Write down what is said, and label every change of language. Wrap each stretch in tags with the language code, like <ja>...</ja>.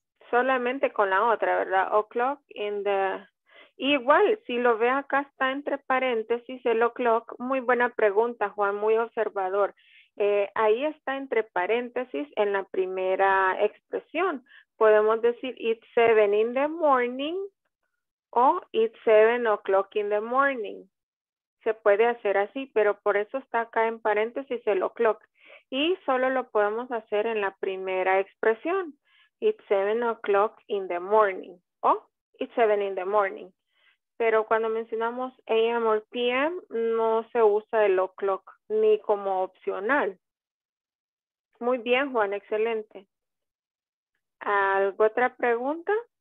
<es>Solamente con la otra, ¿verdad?</es> <en>O'clock in the...</en> <es>Igual, si lo ve acá, está entre paréntesis el o'clock. Muy buena pregunta, Juan, muy observador. Ahí está entre paréntesis en la primera expresión. Podemos decir</es> <en>it's 7 in the morning o it's 7 o'clock in the morning.</en> <es>Se puede hacer así, pero por eso está acá en paréntesis el o'clock. Y solo lo podemos hacer en la primera expresión.</es> <en>It's 7 o'clock in the morning o it's 7 in the morning.</en> <es>Pero cuando mencionamos a.m. or p.m. no se usa el o'clock ni como opcional. Muy bien, Juan, excelente. ¿Alguna otra pregunta?</es>